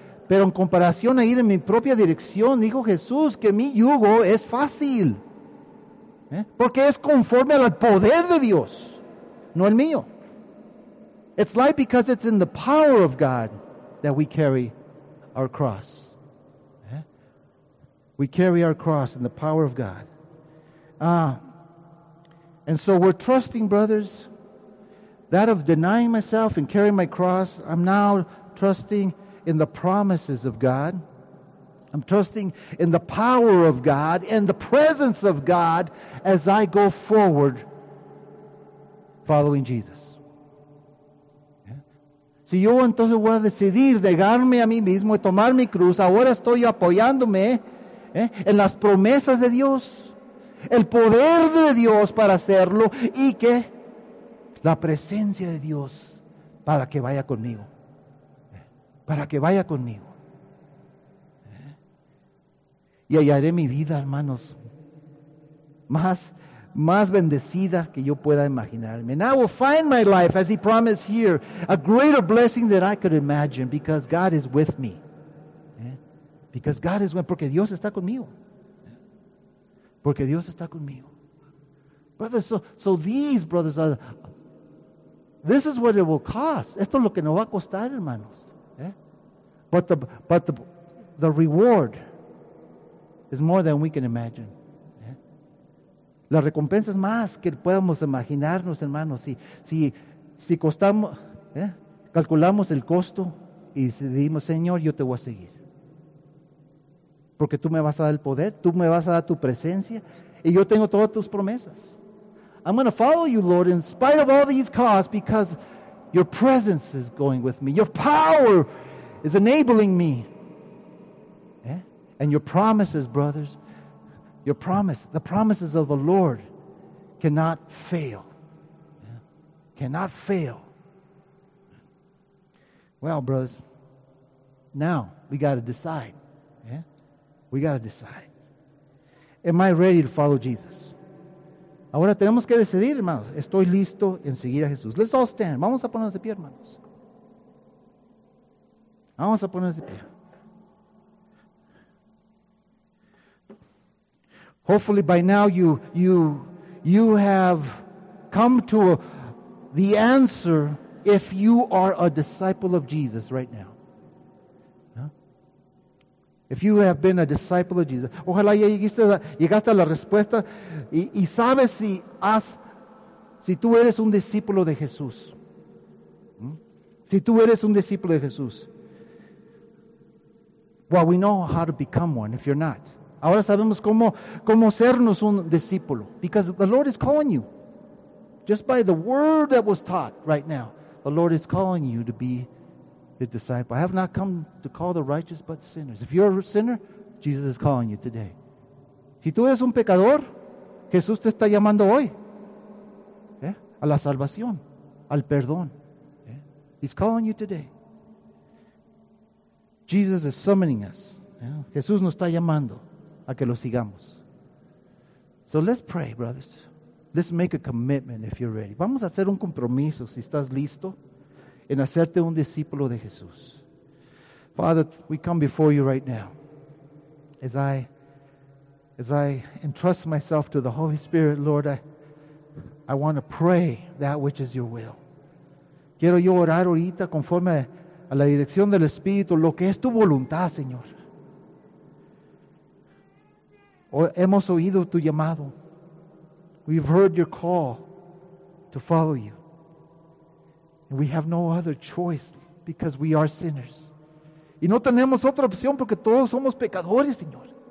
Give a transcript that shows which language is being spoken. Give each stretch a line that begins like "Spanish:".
Spanish: Pero en comparación a ir en mi propia dirección, dijo Jesús que mi yugo es fácil. Porque es conforme al poder de Dios, no el mío.
English: It's light because it's in the power of God that we carry our cross. We carry our cross in the power of God. And so we're trusting, brothers, that of denying myself and carrying my cross, I'm now trusting in the promises of God. I'm trusting in the power of God and the presence of God as I go forward following Jesus.
Spanish: Si yo entonces voy a decidir negarme a mí mismo y tomar mi cruz, ahora estoy apoyándome en las promesas de Dios, el poder de Dios para hacerlo y que la presencia de Dios para que vaya conmigo. Para que vaya conmigo. Y hallaré mi vida, hermanos, más bendecida que yo pueda imaginarme.
English: And I will find my life, as he promised here, a greater blessing than I could imagine, because God is with me. Because God is with me.
Spanish: Porque Dios está conmigo. Porque Dios está conmigo.
English: Brothers, so these brothers are, this is what it will cost.
Spanish: Esto es lo que nos va a costar, hermanos.
English: But the reward is more than we can imagine.
Spanish: La recompensa es más que podamos imaginarnos, hermanos. Si costamos, calculamos el costo y decidimos, Señor, yo te voy a seguir. Porque tú me vas a dar el poder, tú me vas a dar tu presencia y yo tengo todas tus promesas.
English: I'm going to follow you, Lord, in spite of all these costs, because your presence is going with me. Your power is enabling me. And your promises, brothers, your promise, the promises of the Lord cannot fail. Cannot fail. Well, brothers, now we got to decide. We got to decide. Am I ready to follow Jesus?
Spanish: Ahora tenemos que decidir, hermanos. Estoy listo en seguir a Jesús.
English: Let's all stand.
Spanish: Vamos a ponernos de pie, hermanos. Vamos a ponernos de pie.
English: Hopefully by now you have come to the answer if you are a disciple of Jesus right now. If you have been a disciple of Jesus.
Spanish: Ojalá llegaste a la respuesta y sabes si tú eres un discípulo de Jesús. Si tú eres un discípulo de Jesús.
English: Well, we know how to become one if you're not.
Spanish: Ahora sabemos cómo sernos un discípulo.
English: Because the Lord is calling you. Just by the word that was taught right now. The Lord is calling you to be His disciple. I have not come to call the righteous but sinners. If you're a sinner, Jesus is calling you today.
Spanish: Si tú eres un pecador, Jesús te está llamando hoy. A la salvación, al perdón.
English: He's calling you today. Jesus is summoning us.
Spanish: Jesús nos está llamando a que lo sigamos.
English: So let's pray, brothers. Let's make a commitment if you're ready.
Spanish: Vamos a hacer un compromiso si estás listo. en hacerte un discípulo de Jesús.
English: Father, we come before you right now. As I entrust myself to the Holy Spirit, Lord, I want to pray that which is your will.
Spanish: Quiero yo orar ahorita conforme a la dirección del Espíritu, lo que es tu voluntad, Señor. Hemos oído tu llamado.
English: We've heard your call to follow you. We have no other choice because we are sinners.
Spanish: Y no tenemos otra opción porque todos somos pecadores, Señor.